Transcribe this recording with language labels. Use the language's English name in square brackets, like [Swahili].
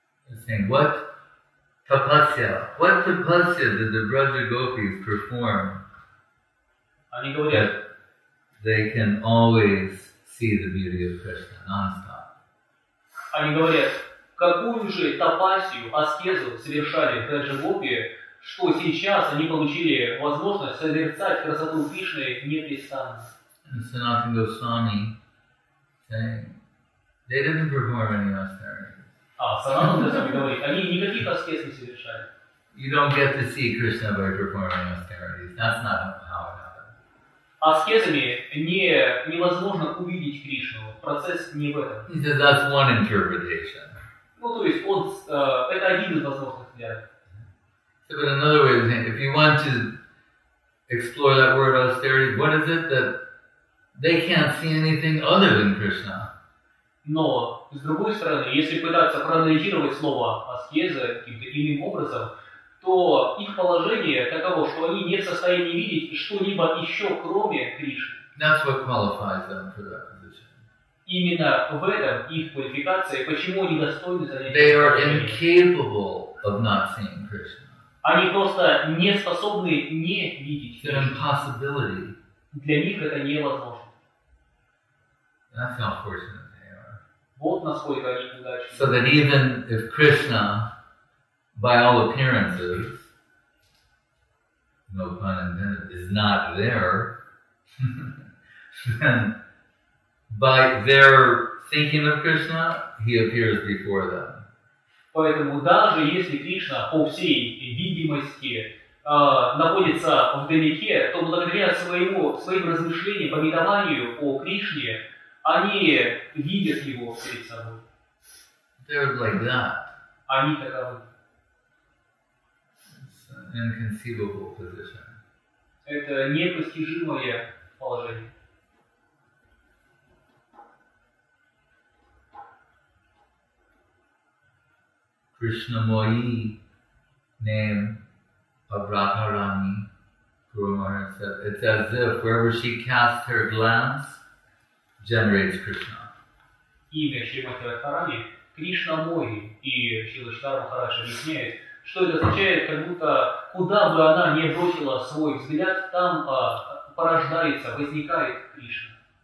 [English] He's saying, what tapasya did the Braja gopis perform that they can always see the beauty of Krishna nonstop? [Russian] Они говорят, какую же тапасию, аскезу совершали Браджа-гопи, что сейчас они получили возможность созерцать красоту Кришны непрестанно. [English] Санатана Госвами saying, they didn't perform any austerities. [Russian] Санатана Госвами говорит, они никаких аскез не совершали. [English] You don't get to see Krishna by performing austerities. That's not how it happened. [Russian] Аскезами невозможно увидеть Кришну. Процесс не в этом. [English] He says, that's one interpretation. [Russian] Ну, то есть, он, это один из возможных взглядов. [English] But another way of saying, if you want to explore that word austerity, what is it that they can't see anything other than Krishna? [Russian] Но, с другой стороны, если пытаться проанализировать слово аскеза каким-то иным образом, то их положение таково, что они не в состоянии видеть что-либо еще, кроме Кришны. [English] That's what qualifies them for that position. [Russian] Именно в этом их квалификация, почему они достойны занять. [English] They are incapable of not seeing Krishna. [Russian] Они просто не способны не видеть Кришну. [English] It's an impossibility. [Russian] Для них это невозможно. [English] That's how fortunate they are. [Russian] Вот насколько они удачны. [English] So that even if Krishna, by all appearances, no pun intended, is not there, then by their thinking of Krishna, he appears before them. [Russian] Поэтому даже если Кришна по всей видимости находится вдалеке, то благодаря своим размышлениям, помитованию о Кришне, они видят его перед собой. [English] They're like that. [Russian] Они таковы. [English] Inconceivable position. [Russian] Это непостижимое положение. [English] Krishna Moi name of Radharani, Guru Maharaj said, it's as if wherever she casts her glance generates Krishna. [Russian] Имя Шримати Радхарани Кришна Мои, и Шрила Читара Махараджа объясняет, что это означает, как будто куда бы она ни бросила свой взгляд, там порождается, возникает Кришна.